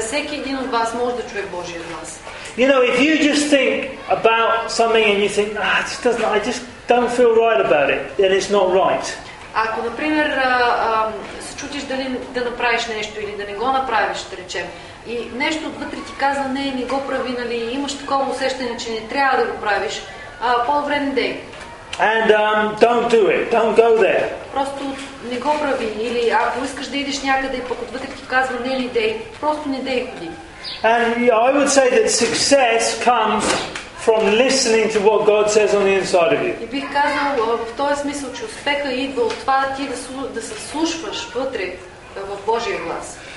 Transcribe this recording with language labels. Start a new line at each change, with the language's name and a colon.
Bulgarian: Всеки един от вас може да чуе Божия глас.
English: You know, if you just think about something and you think, I just don't feel right about it, then it's not right.
Bulgarian: Ако, например, се чутиш дали да направиш нещо или да не го направиш, да речем, и нещо отвътре ти казва, не, не го прави, нали, имаш такова усещане, че не трябва да го правиш, по-добре не дей.
English: And don't do it. Don't go there.
Bulgarian: Просто не го прави. Или ако искаш да идеш някъде и пък отвътре ти казва, не ли дей, просто не дей ходи.
English: And I would say that success comes from listening to what God says on the inside of you.
Bulgarian: И бих казал в този смисъл, че успеха идва от това ти да се слушваш вътре в Божия глас.